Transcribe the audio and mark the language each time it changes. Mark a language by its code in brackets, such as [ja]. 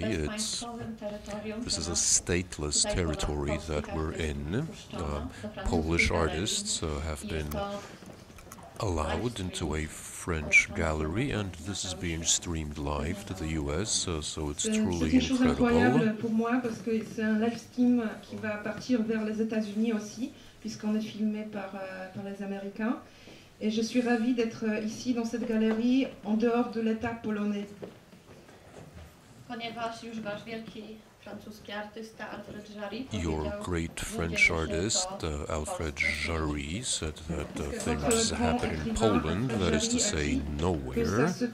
[en] This is a stateless territory that we're in. Polish artists have been allowed into a French gallery, and this is being streamed live to the US, so it's truly incredible. [fr] Pour moi parce que c'est un live stream qui va partir vers les États-Unis aussi puisqu'on est filmé par les Américains et je suis ravie d'être ici dans cette galerie en dehors de l'État polonais. [pl] Ponieważ już wasz wielki francuski artysta Alfred Jarry. [en] Your great French artist, Alfred Jarry, said that things happen in Poland, that is to say, nowhere.